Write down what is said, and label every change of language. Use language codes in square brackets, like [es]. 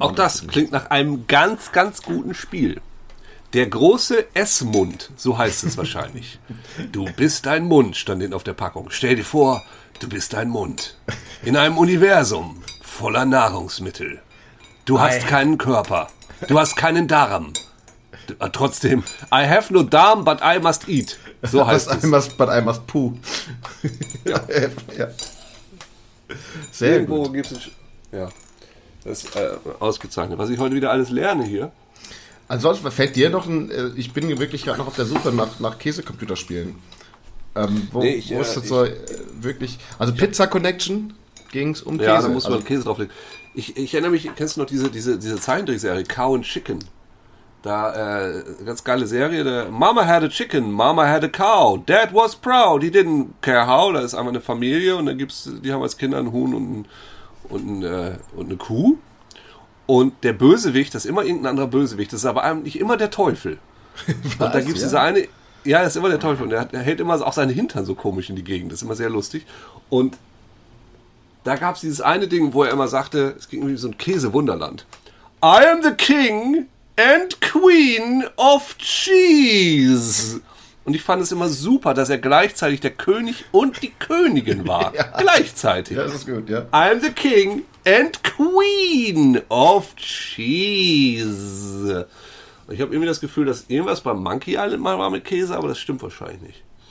[de] auch das klingt nach einem ganz, ganz guten Spiel. Der große Essmund, so heißt es wahrscheinlich. Du bist ein Mund, stand auf der Packung. Stell dir vor, du bist ein Mund. In einem Universum voller Nahrungsmittel. Du hast keinen Körper. Du hast keinen Darm. Trotzdem, [en] I have no darm, but I must eat. [de] So heißt es. [en] But I must poo. [de] Ja. Ja. Sehr irgendwo gut. Gibt's ja, das ist ausgezeichnet. Was ich heute wieder alles lerne hier. Ansonsten fällt dir noch ein. Ich bin wirklich gerade noch auf der Suche nach Käsecomputerspielen. Pizza Connection ging es um Käse. Ja, da muss man Käse drauflegen. Ich erinnere mich, kennst du noch diese Zeichentrickserie Cow and Chicken? Da, ganz geile Serie. [en] Da, Mama had a chicken, Mama had a cow, Dad was proud, he didn't care how. [de] Da ist einfach eine Familie und dann gibt's, die haben als Kinder einen Huhn und eine Kuh. Und der Bösewicht, das ist immer irgendein anderer Bösewicht, das ist aber eigentlich immer der Teufel. Was, und da gibt es diese eine, ja, das ist immer der Teufel. Und der hält immer auch seinen Hintern so komisch in die Gegend. Das ist immer sehr lustig. Und da gab es dieses eine Ding, wo er immer sagte, es ging irgendwie so ein Käse-Wunderland. [en] I am the king and queen of cheese. [de] Und ich fand es immer super, dass er gleichzeitig der König und die Königin war. Ja. Gleichzeitig. Ja, das ist gut, ja. [en] I am the king and queen of cheese. [de] Und ich habe irgendwie das Gefühl, dass irgendwas beim Monkey Island mal war mit Käse, aber das stimmt wahrscheinlich nicht.